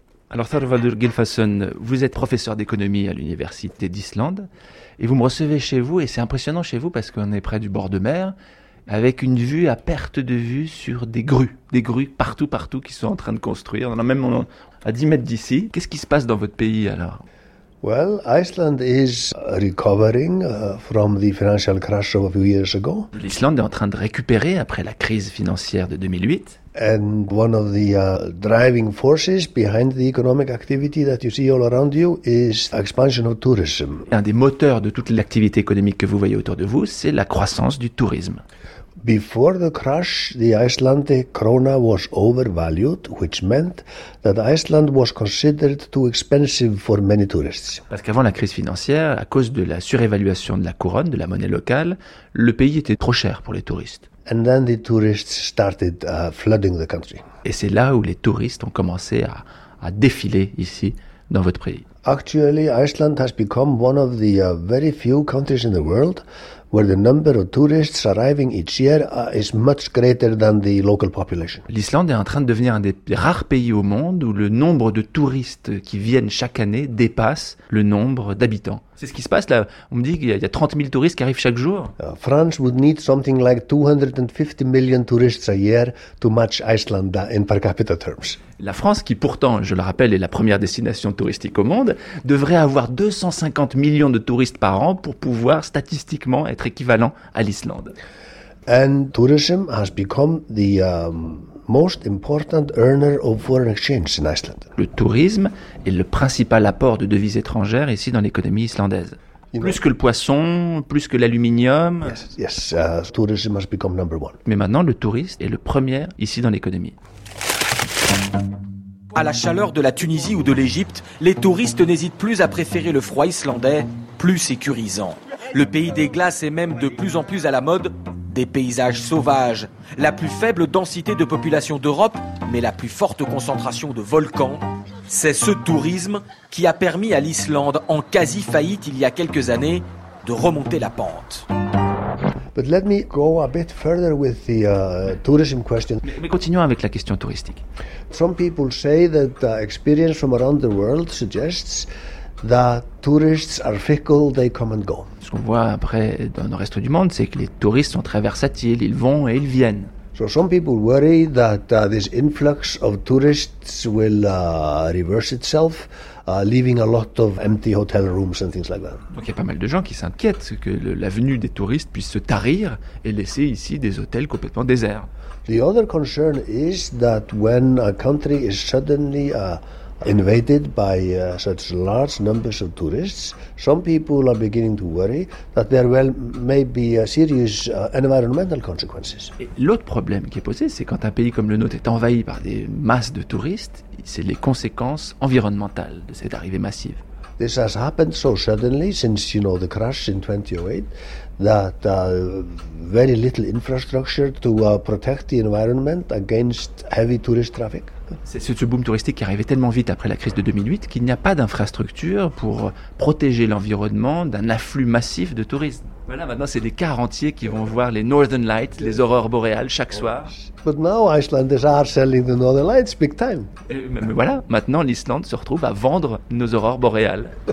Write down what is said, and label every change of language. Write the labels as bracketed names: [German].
[French] Alors Þorvaldur Gylfason, vous êtes professeur d'économie à l'Université d'Islande et vous me recevez chez vous, et c'est impressionnant chez vous parce qu'on est près du bord de mer, avec une vue à perte de vue sur des grues partout qui sont en train de construire. On en a même à 10 mètres d'ici. Qu'est-ce qui se passe dans votre pays alors ? [English] Well, Iceland is recovering from the financial crash of a few years ago. [French] L'Islande est en train de récupérer après la crise financière de 2008. [English] And one of the driving forces behind the economic activity that you see all around you is expansion of tourism. [French] Un des moteurs de toute l'activité économique que vous voyez autour de vous, c'est la croissance du tourisme. [English] Before the crash, the Icelandic krona was overvalued, which meant that Iceland was considered too expensive for many tourists. [French] Parce qu'avant la crise financière, à cause de la surévaluation de la couronne, de la monnaie locale, le pays était trop cher pour les touristes. [English] And then the tourists started flooding the country. [French] Et c'est là où les touristes ont commencé à défiler ici dans votre pays. [English] Actually, Iceland has become one of the very few countries in the world where the number of tourists arriving each year is much greater than the local population. [French] L'Islande est en train de devenir un des rares pays au monde où le nombre de touristes qui viennent chaque année dépasse le nombre d'habitants. C'est ce qui se passe là. On me dit qu'il y a 30 000 touristes qui arrivent chaque jour. [English] France would need something like 250 million tourists a year to match Iceland in per capita terms. [French] La France, qui pourtant, je le rappelle, est la première destination touristique au monde, devrait avoir 250 millions de touristes par an pour pouvoir statistiquement être équivalent à l'Islande. [English] And tourism has become the most important earner of foreign exchange in Iceland. [French] Le tourisme est le principal apport de devises étrangères ici dans l'économie islandaise. Plus que le poisson, plus que l'aluminium. [English] Yes, tourism has become number one. [French] Mais maintenant, le tourisme est le premier ici dans l'économie. À la chaleur de la Tunisie ou de l'Égypte, les touristes n'hésitent plus à préférer le froid islandais, plus sécurisant. Le pays des glaces est même de plus en plus à la mode. Des paysages sauvages, la plus faible densité de population d'Europe, mais la plus forte concentration de volcans. C'est ce tourisme qui a permis à l'Islande, en quasi-faillite il y a quelques années, de remonter la pente. [English] But let me go a bit further with the tourism question. [French] Mais continuons avec la question touristique. [English] Some people say that experience from around the world suggests that tourists are fickle, they come and go. [French] Ce qu'on voit après dans le reste du monde, c'est que les touristes sont très versatiles, ils vont et ils viennent. [English] So some people worry that this influx of tourists will reverse itself, leaving a lot of empty hotel rooms and things like that. [French] Donc il y a pas mal de gens qui s'inquiètent que la venue des touristes puisse se tarir et laisser ici des hôtels complètement déserts. [English] The other concern is that when a country is suddenly invaded by such large numbers of tourists, some people are beginning to worry that there will maybe serious environmental consequences. [French] Et l'autre problème qui est posé, c'est quand un pays comme le nôtre est envahi par des masses de touristes, c'est les conséquences environnementales de cette arrivée massive. [English] This has happened so suddenly since, you know, the crash in 2008, that very little infrastructure to protect the environment against heavy tourist traffic. [French] C'est ce boom touristique qui arrivait tellement vite après la crise de 2008 qu'il n'y a pas d'infrastructure pour protéger l'environnement d'un afflux massif de touristes. Voilà, maintenant c'est des cars entiers qui vont voir les Northern Lights, les aurores boréales, chaque soir. [English] But now Icelanders are selling the Northern Lights big time. [French] Mais voilà, maintenant l'Islande se retrouve à vendre nos aurores boréales.